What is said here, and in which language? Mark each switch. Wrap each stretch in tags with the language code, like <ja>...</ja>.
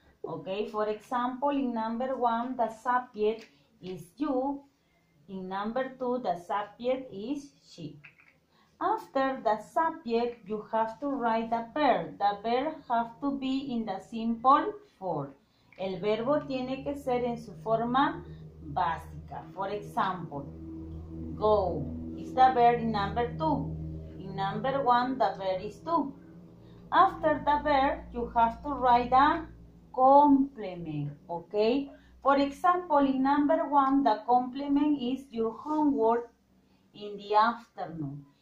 <en>Okay, for example, in number one, the subject is you. In number two, the subject is she. After the subject, you have to write a verb. The verb has to be in the simple form.</en> <es>El verbo tiene que ser en su forma básica.</es> <en>For example, go is the verb in number two. In number one, the verb is to. After the verb, you have to write a complement, okay? For example, in number one, the complement is your homework in the afternoon.</en>